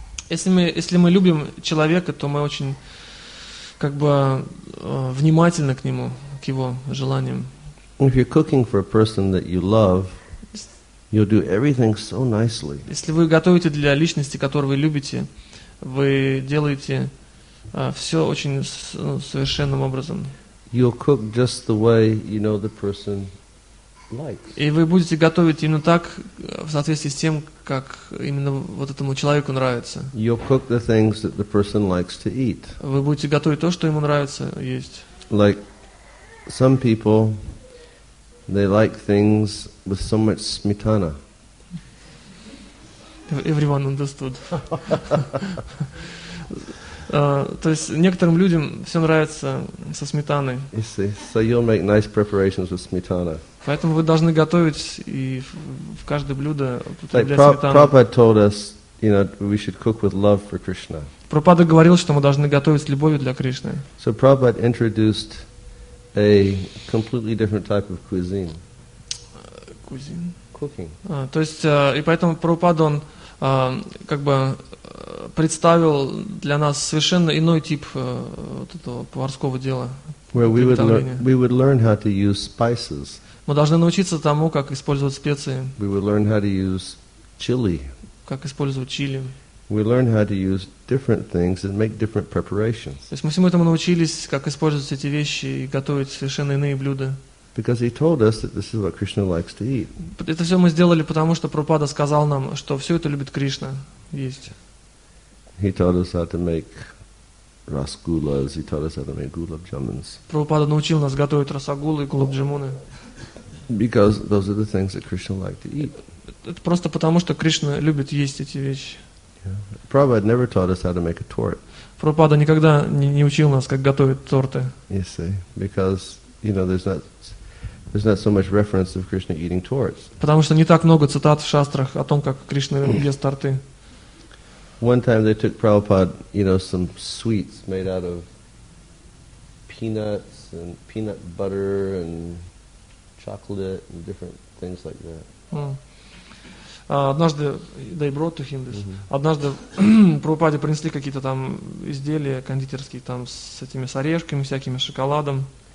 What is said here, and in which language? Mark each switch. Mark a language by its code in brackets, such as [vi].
[ru] Если мы любим человека, то мы очень как бы внимательны к нему, к его желаниям. [en] If you're cooking for a person that you love, you'll do everything so nicely. [ru] Если вы готовите для личности, которую вы любите, вы делаете все очень совершенным образом. [en] You'll cook just the way you know the person likes. [ru] И вы будете готовить именно так, в соответствии с тем, как именно вот этому человеку нравится. [en] You'll cook the things that the person likes to eat. [ru] Вы будете готовить то, что ему нравится есть. [en] Like some people, they like things with so much smetana. Everyone understood. [ru] То есть некоторым людям все нравится со сметаной. [en] You see, so you'll make nice preparations with smetana. [ru] Поэтому вы должны готовить и в каждое блюдо употреблять [en] like [ru] сметану. [en] Prabhupada told us, you know, we should cook with love for Krishna. [ru] Прабхупада говорил, что мы должны готовить с любовью для Кришны. [en] So Prabhupada introduced a completely different type of cuisine. Cuisine. Cooking. [ru] То есть и поэтому Прабхупада он как бы представил для нас совершенно иной тип вот этого поварского дела. [en] Where we would learn how to use spices. [ru] Мы должны научиться тому, как использовать специи. [en] We would learn how to use chili. [ru] Как использовать чили. [en] We learn how to use different things and make different preparations. [ru] То есть мы всему этому научились, как использовать эти вещи и готовить совершенно иные блюда. [en] Because he told us that this is what Krishna likes to eat. [ru] Это все мы сделали, потому что Прабхупада сказал нам, что все это любит Кришна есть. [en] He taught us how to make rasgullas. He taught us how to make gulab jamuns. [ru] Прабхупада научил нас готовить расагулы и гулаб джамуны. [en] Because those are the things that Krishna likes to eat. [ru] Это просто потому, что Кришна любит есть эти вещи. Yeah. [en] Prabhupada never taught us how to make a tort. [ru] Прабхупада никогда не учил нас, как готовить торты. [en] You see, because you know there's not so much reference of Krishna eating torts. [ru] Потому что не так много цитат в шастрах о том, как Кришна ест торты. [en] One time they took Prabhupada, you know, some sweets made out of peanuts and peanut butter and chocolate and different things like that. [ru] Однажды [en] they brought to him this. Mm-hmm. [ru] Однажды Прабхупаде принесли какие-то там изделия кондитерские там с этими с орешками всякими, шоколадом.